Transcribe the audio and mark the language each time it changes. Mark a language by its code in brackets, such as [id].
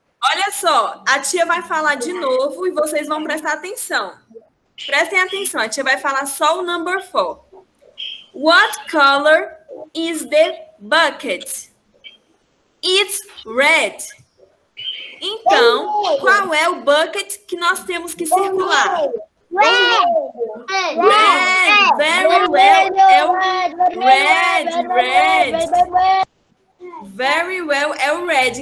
[pt] Olha só, a tia vai falar de novo e vocês vão prestar atenção. Prestem atenção, a tia vai falar só o number four. [en] What color is the bucket? It's red. [pt] Então, qual é o bucket que nós temos que circular? [en] Red. Red. Very well. [pt] É o [en] red. Red. Very well. É o red.